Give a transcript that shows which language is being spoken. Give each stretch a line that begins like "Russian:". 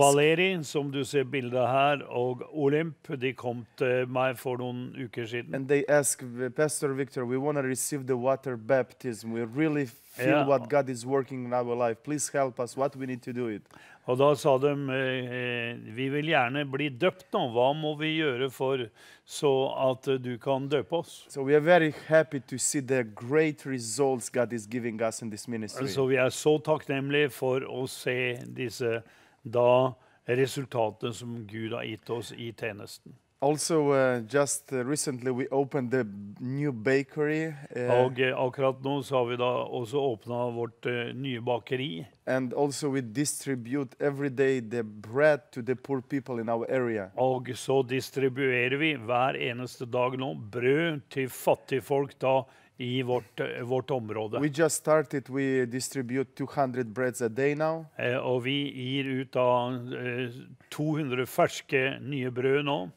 Norwegian: Valeri, som du ser bildet her, og Olymp, de kom til meg for noen uker siden.
English: And they asked, Pastor Victor, we want to receive the water baptism. We really feel what God is working in our life. Please help us. What we need to do it.
Norwegian: Og da sa de, vi vil gjerne bli døpt nå. Hva må vi gjøre for så at du kan døpe oss?
English: So we are very happy to see the great results God is giving us in this ministry.
Norwegian: Så vi er så takknemlige for å se disse da resultatene som Gud har gitt oss I tjenesten.
English: Also, just recently we opened the new bakery.
Norwegian: Og akkurat nå så har vi da også åpnet vårt nye bakeri.
English: And also we distribute every day the bread to the poor people in our area.
Norwegian: Og så distribuerer vi hver eneste dag nå brød til fattige folk da I vårt område.
English: We just started, we distribute 200 breads a day now.
Norwegian: Og vi gir ut av 200 ferske nye brød nå.